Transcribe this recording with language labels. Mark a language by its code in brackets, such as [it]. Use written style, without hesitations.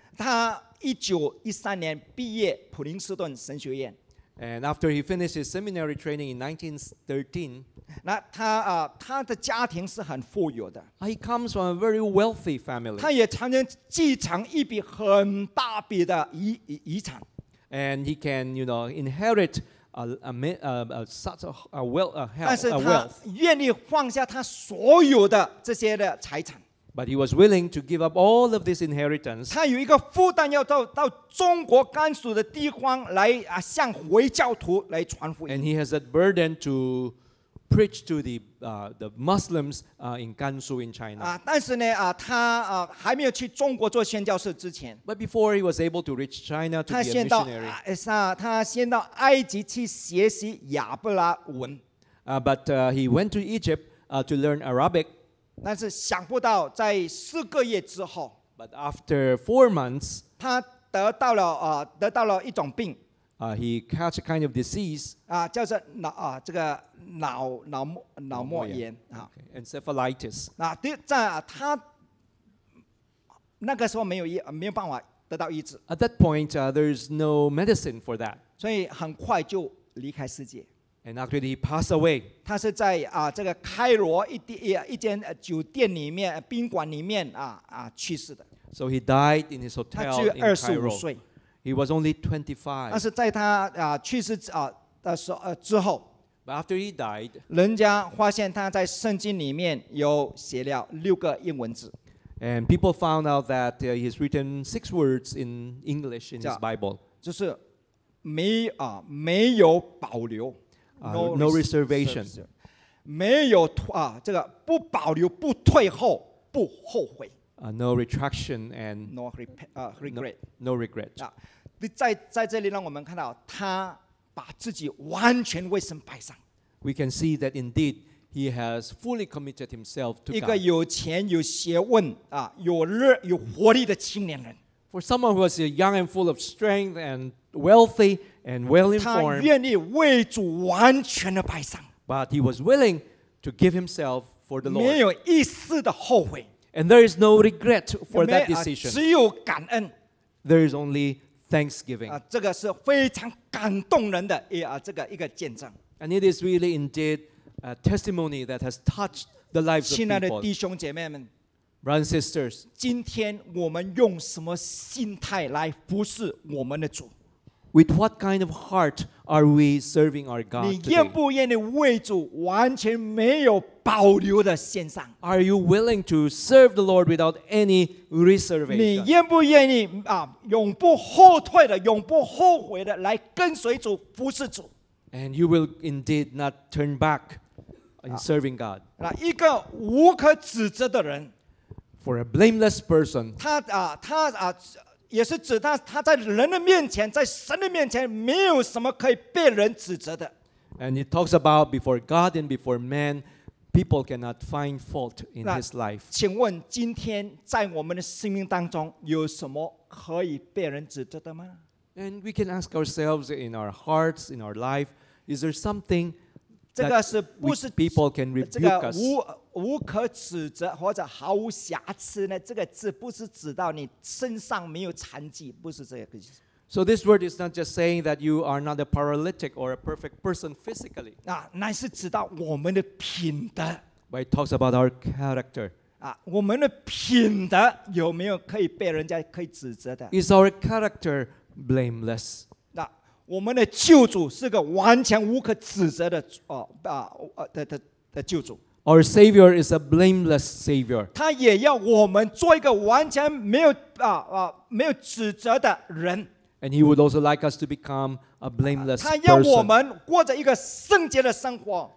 [zh] 他1913年毕业普林斯顿神学院。 [en] And after he finished his seminary training in 1913, [zh] 那他他的家庭是很富有的。 [en] He comes from a very wealthy family. [zh] 他也常常继承一笔很大笔的遗产。 [en] And he can, you know, inherit such a wealth. [zh] 但是他愿意放下他所有的这些的财产。 [en] But he was willing to give up all of this inheritance. [zh] 他有一个负担要到中国甘肃的地方来向回教徒来传福音。 [en] And he has that burden to preach to the Muslims in Gansu in China. [zh] 但是呢他还没有去中国做宣教士之前。 [en] But before he was able to reach China to be a missionary. [zh] 他先到埃及去学习亚伯拉文。 [en] But he went to Egypt to learn Arabic. [zh] 但是想不到在四个月之后 [en] But after 4 months [zh] 他得到了、得到了一种病 [en] He catch a kind of disease [zh] 叫做脑、这个脑膜炎 [en] okay. Encephalitis [zh] 在他那个时候没有办法得到医治 [en] At that point、there is no medicine for that [zh] 所以很快就离开世界 [en] And actually, he passed away. [zh] 他是在啊这个开罗一间酒店里面宾馆里面去世的。 [en] So he died in his hotel in Cairo. [zh] 他只有25岁。 [en] He was only 25. [zh] 但是在他去世的时候之后 [en] ，But after he died, [zh] 人家发现他在圣经里面有写了6个英文字。 [en] And people found out that he's written 6 words in English in his Bible. [zh] 就是没有保留。 [en] No reservation. [zh] 没有这个不保留、不退后、不后悔。 [en] No retraction and no regret. No regret. [zh] 在这里让我们看到他把自己完全为神摆上。 [en] We can see that indeed he has fully committed himself to God. [zh] 一个有钱、有学问、有热、有活力的青年人。 [en] For someone who was young and full of strength and wealthy and well-informed, [zh] 他愿意为主完全的摆上 [en] but he was willing to give himself for the Lord. [zh] 没有一丝的后悔 [en] and there is no regret for that decision. [zh] 只有感恩 [en] there is only thanksgiving. [zh] 这个是非常感动人的这个一个见证 [en] and it is really indeed a testimony that has touched the lives of people. [zh] 亲爱的弟兄姐妹们。 [en] Brothers and sisters, [zh] 今天我们用什么心态来服侍我们的主 [en] ？With what kind of heart are we serving our God? [zh] 你愿不愿意为主完全没有保留的献上 [en] ？Are you willing to serve the Lord without any reservation? [zh] 你愿不愿意永不后退的、永不后悔的来跟随主、服侍主 [en] ？And you will indeed not turn back in serving God. [zh] 那一个无可指责的人。 [en] For a blameless person, [zh] 他也是指他在人的面前，在神的面前，没有什么可以被人指责的。 [en] And he talks about before God and before man, people cannot find fault in his life. [zh] 请问今天在我们的生命当中有什么可以被人指责的吗 [en] ？And we can ask ourselves in our hearts, in our life, is there something? [zh] 这个是不是 [en] people can rebuke us? [zh] 无可指责或者毫无瑕疵呢？这个字不是指到你身上没有残疾，不是这个意思。 [en] So this word is not just saying that you are not a paralytic or a perfect person physically. [zh] 乃是指到我们的品德。 [en] But it talks about our character. [zh] 我们的品德有没有可以被人家可以指责的 [en] ？Is our character blameless? [zh] 我们的救主是个完全无可指责的救主。 [en] Our Savior is a blameless Savior. [zh] 他也要我们做一个完全没有指责的人。 [en] And he would also like us to become a blameless person. [zh] 他要我们过着一个圣洁的生活。